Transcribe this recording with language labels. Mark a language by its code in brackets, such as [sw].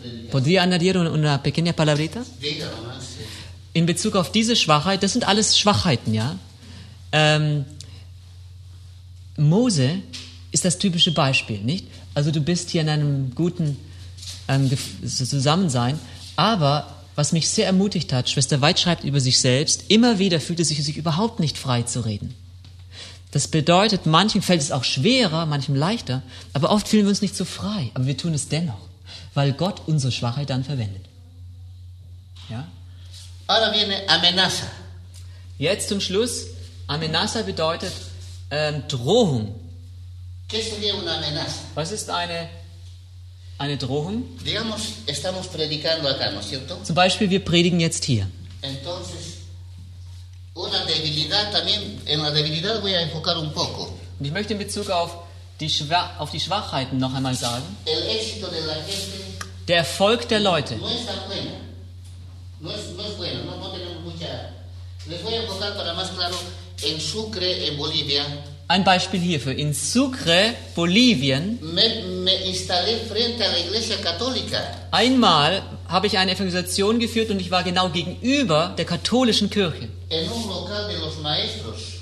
[es] Podría añadir una pequeña palabrita? [de] In Bezug auf diese Schwachheit, das sind alles Schwachheiten, ja? Mose ist das typische Beispiel, nicht? Also du bist hier in einem guten Zusammensein, aber was mich sehr ermutigt hat, Schwester Weid schreibt über sich selbst, immer wieder fühlte sie sich überhaupt nicht frei zu reden. Das bedeutet, manchen fällt es auch schwerer, manchem leichter, aber oft fühlen wir uns nicht so frei. Aber wir tun es dennoch, weil Gott unsere Schwachheit dann verwendet. Ja? [es] Ahora viene amenaza. [de] Jetzt zum Schluss. Amenaza bedeutet Drohung. [es] ¿Qué sería una amenaza? [de] Was ist eine Drohung? [es] Digamos, estamos predicando acá, ¿no es cierto? [de] Zum Beispiel, wir predigen jetzt hier. [es] Entonces, una debilidad también, en la debilidad voy a enfocar un poco. [de] Und ich möchte in Bezug auf die Schwachheiten noch einmal sagen. [es] El éxito de la gente, [de] der Erfolg der Leute. [es] No es tan bueno. No tenemos mucha. Les voy a enfocar para más claro en Sucre, en Bolivia. [de] Ein Beispiel hierfür. In Sucre, Bolivien, [es] me instalé frente a la iglesia católica. [de] Einmal habe ich eine Evangelisation geführt und ich war genau gegenüber der katholischen Kirche. [es] En un local de los maestros.